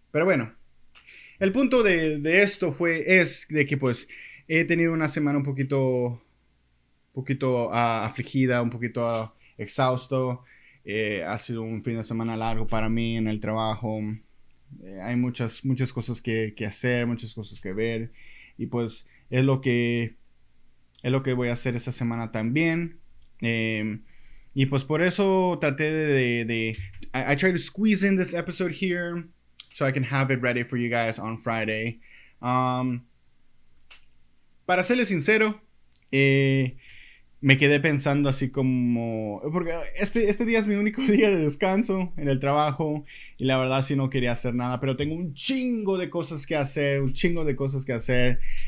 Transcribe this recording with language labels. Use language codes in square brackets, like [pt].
[es] Pero bueno, el punto de esto es de que pues he tenido una semana un poquito afligida, un poquito exhausto. Ha sido un fin de semana largo para mí en el trabajo. Hay muchas cosas que hacer, muchas cosas que ver. Y pues es lo que voy a hacer esta semana también. Y pues por eso traté de [en] I tried to squeeze in this episode here so I can have it ready for you guys on Friday. [es] Para serles sincero, me quedé pensando así como, porque este día es mi único día de descanso en el trabajo y la verdad sí no quería hacer nada, pero tengo un chingo de cosas que hacer, un chingo de cosas que hacer.